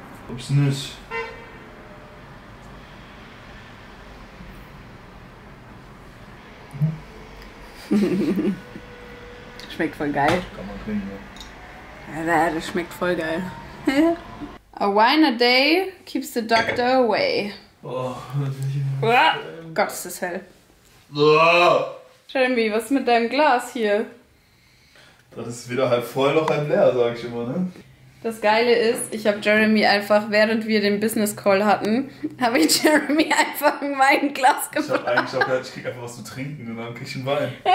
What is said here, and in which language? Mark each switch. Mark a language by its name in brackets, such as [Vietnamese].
[German] Ob's nicht. Schmeckt voll geil. Kann man trinken, ja. Das schmeckt voll geil. [English] A wine a day keeps the doctor away. [German] Oh, das ist Gott, ist das hell. Oh. Jeremy, was ist mit deinem Glas hier? Das ist weder halb voll noch halb leer, sag ich immer, ne? Das Geile ist, ich habe Jeremy einfach, während wir den Business Call hatten, habe ich Jeremy einfach ein Weinglas gebracht. Ich habe eigentlich auch gedacht, ich krieg einfach was zu trinken und dann krieg ich einen Wein.